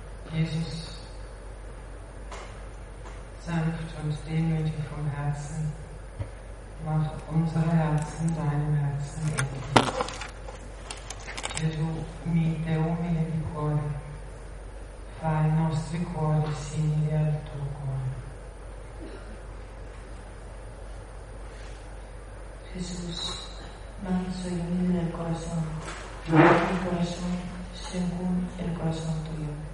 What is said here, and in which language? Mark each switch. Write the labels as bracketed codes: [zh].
[de] Jesus, sanft und demütig vom Herzen, mach unsere Herzen deinem Herzen ähnlich. [it] Jesu, mite umile di cuore, fa i nostri cuori simili al tuo cuore. [es] Jesús, manso y humilde del corazón, haz mi corazón según el corazón tuyo.